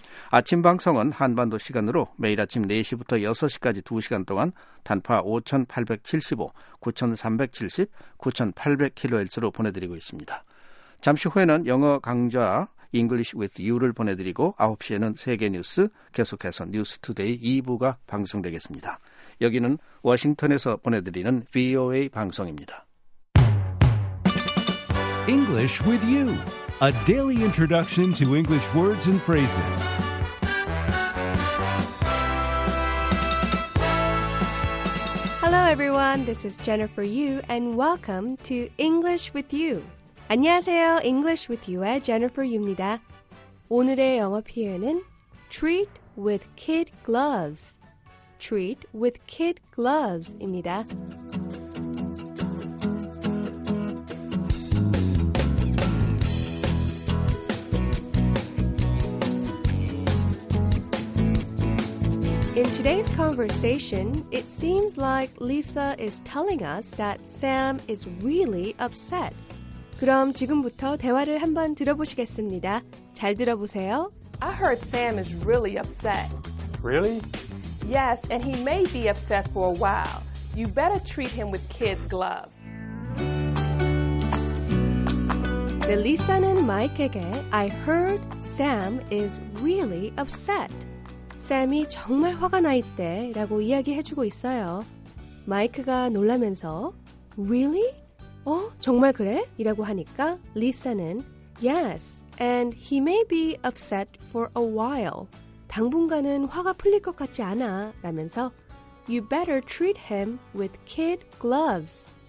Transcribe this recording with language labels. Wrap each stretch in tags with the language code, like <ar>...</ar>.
<ko>아침 방송은 한반도 시간으로 매일 아침 4시부터 6시까지 2시간 동안 단파 5875, 9370, 9800kHz로 보내드리고 있습니다. 잠시 후에는 영어 강좌 English with You를 보내드리고 9시에는 세계 뉴스, 계속해서 뉴스 투데이 2부가 방송되겠습니다. 여기는 워싱턴에서 보내드리는 VOA 방송입니다.</ko> <en>English with you, a daily introduction to English words and phrases. Hello everyone, this is Jennifer Yu and welcome to English with you.</en> <ko>안녕하세요, English with you의 Jennifer Yu입니다. 오늘의 영어 표현은</ko> <en>treat with kid gloves. Treat with kid gloves입니다. In today's conversation, it seems like Lisa is telling us that Sam is really upset.</en> <ko>그럼 지금부터 대화를 한번 들어보시겠습니다. 잘 들어보세요.</ko> <en>I heard Sam is really upset. Really? Yes, and he may be upset for a while. You better treat him with kid gloves.</en> <ko>네,</ko> <en>Lisa는 Mike에게 I heard Sam is really upset.</en> <ko>Sam이 정말 화가 나 있대 라고 이야기해주고 있어요. 마이크가 놀라면서 Really? 어? 정말 그래? 이라고 하니까 리사는</ko> <en>Yes, and he may be upset for a while.</en> <ko>당분간은 화가 풀릴 것 같지 않아 라면서</ko> <en>You better treat him with kid gloves.</en>